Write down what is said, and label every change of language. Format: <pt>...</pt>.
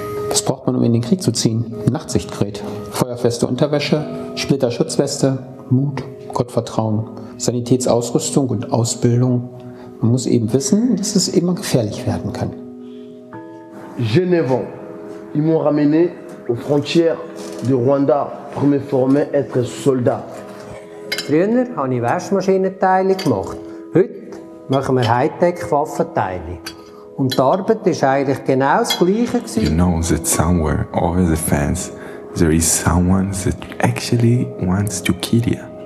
<de>Was braucht man, um in den Krieg zu ziehen? Nachtsichtgerät, feuerfeste Unterwäsche, Splitterschutzweste, Mut, Gottvertrauen, Sanitätsausrüstung und Ausbildung. Man muss eben wissen, dass es immer gefährlich werden kann.</de> <fr>Genève, ils m'ont ramené aux frontières du Rwanda pour me former être soldat.</fr> <de>Früher habe ich Waschmaschinenteile gemacht. Heute machen wir Hightech-Waffenteile. Und die Arbeit ist eigentlich genau das gleiche gewesen.</de> <en>You know that somewhere over the fence there is someone that actually wants to kill you.</en>